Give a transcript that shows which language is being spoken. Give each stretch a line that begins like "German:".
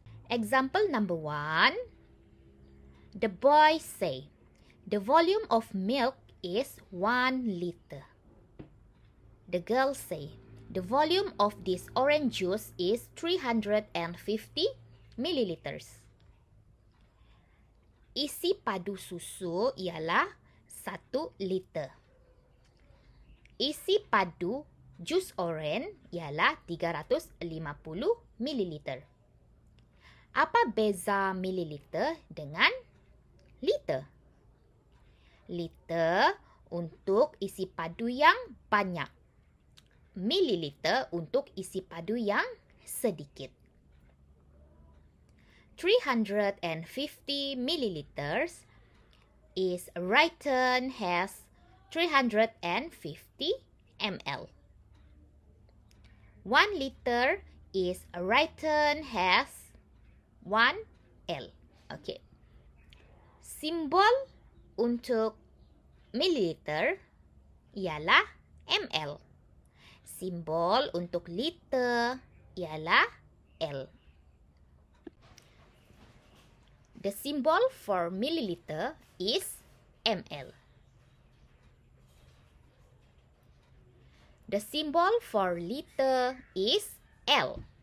English: Example number one. The boy say, the volume of milk is 1 liter. The girl say, the volume of this orange juice is 350 milliliters.
Malay: Isi padu susu ialah 1 liter. Isi padu jus oranye ialah 350 milliliter. Apa beza milliliter dengan liter? Liter untuk isi padu yang banyak. Milliliter untuk isi padu yang sedikit.
English: 350 milliliters is written as 350 ml. 1 liter is written as 1 L. Okay.
Malay: Simbol untuk milliliter ialah ml. Simbol untuk liter ialah L.
English: The symbol for milliliter is ml. The symbol for liter is L.